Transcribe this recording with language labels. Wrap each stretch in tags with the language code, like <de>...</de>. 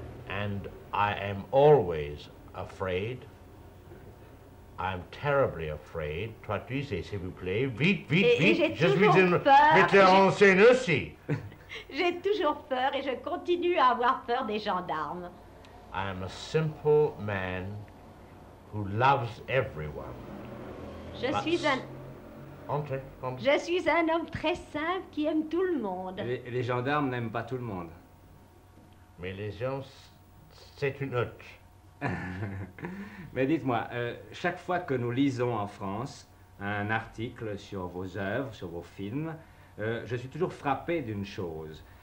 <en>And I am always afraid. I am terribly afraid.</en> <fr>Traduisez, s'il vous plaît. Vite, vite, et, vite. Et j'ai toujours peur. Metteur en scène aussi. J'ai toujours peur et je continue à avoir peur des gendarmes.</fr> <en>I am a simple man who loves everyone.</en> <fr>Je suis un homme très simple qui aime tout le monde. Les gendarmes n'aiment pas tout le monde. Mais les gens, c'est une autre. Mais dites-moi, chaque fois que nous lisons en France un article sur vos œuvres, sur vos films, je suis toujours frappé d'une chose.</fr>